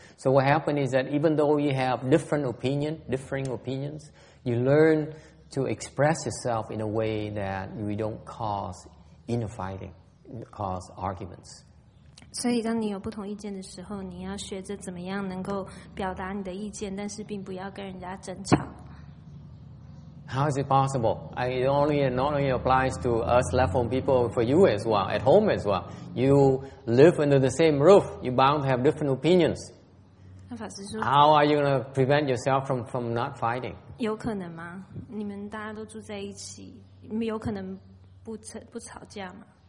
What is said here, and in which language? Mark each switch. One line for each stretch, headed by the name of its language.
English: So what happened is that even though you have differing opinions, you learn to express yourself in a way that we don't cause inner fighting, cause arguments.
Chinese: 所以当你有不同意见的时候，你要学着怎么样能够表达你的意见，但是并不要跟人家争吵。
English: How is it possible? It not only applies to us level people, for you as well, at home as well. You live under the same roof, you bound to have different opinions. How are you going to prevent yourself from not fighting?
Chinese: 有可能吗？你们大家都住在一起，你们有可能不吵架吗？